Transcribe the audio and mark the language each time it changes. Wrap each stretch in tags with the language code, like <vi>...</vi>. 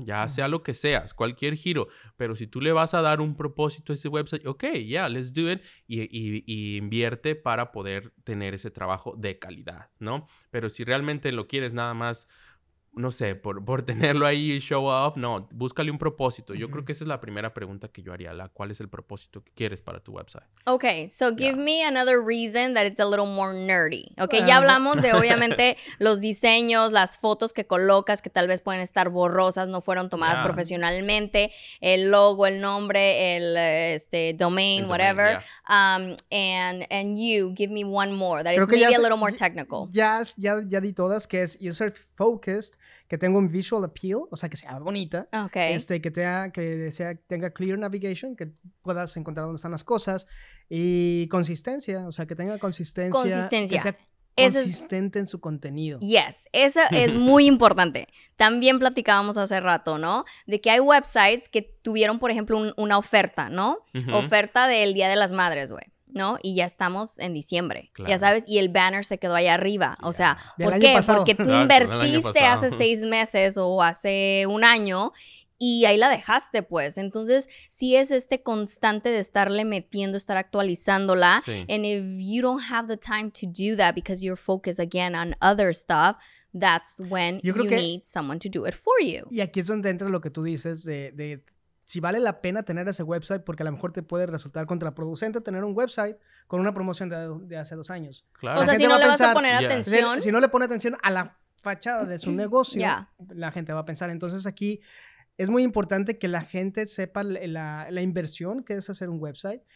<es>Ya sea lo que seas, cualquier giro, pero si tú le vas a dar un propósito a ese website,</es> <en>ok, let's do it,</en> <es>y invierte para poder tener ese trabajo de calidad, ¿no? Pero si realmente lo quieres nada más no sé, por tenerlo ahí y show off. No, búscale un propósito. Yo creo que esa es la primera pregunta que yo haría. ¿Cuál es el propósito que quieres para tu website?</es> <en>Okay, so give me another reason that it's a little more nerdy.</en> <es>Okay, ya hablamos de obviamente los diseños, las fotos que colocas que tal vez pueden estar borrosas, no fueron tomadas profesionalmente. El logo, el nombre, el domain, whatever.</es> <en>And you, give me one more that it's maybe a little more technical.</en> <es>Ya di todas, que es user focused, que tenga un visual appeal, o sea, que sea bonita, okay. que tenga clear navigation, que puedas encontrar dónde están las cosas, y consistencia, o sea, que tenga consistencia. Que sea consistente en su contenido. Yes, eso es muy importante. También platicábamos hace rato, ¿no? De que hay websites que tuvieron, por ejemplo, una oferta, ¿no? Uh-huh. Oferta del Día de las Madres, güey. ¿No? Y ya estamos en diciembre. Claro. Ya sabes, y el banner se quedó allá arriba. O sea, ¿por qué? Pasado. Porque tú invertiste hace 6 meses o hace un año y ahí la dejaste, pues. Entonces, si es este constante de estarle metiendo, estar actualizándola. Sí.</es> <en>And if you don't have the time to do that because you're focused again on other stuff, that's when you need someone to do it for you.</en> <es>Y aquí es donde entra lo que tú dices de si vale la pena tener ese website, porque a lo mejor te puede resultar contraproducente tener un website con una promoción de hace 2 años. Claro. O sea, si no le vas a poner atención. Si no le pone atención a la fachada de su negocio, la gente va a pensar. Entonces aquí es muy importante que la gente sepa la inversión que es hacer un website.</es>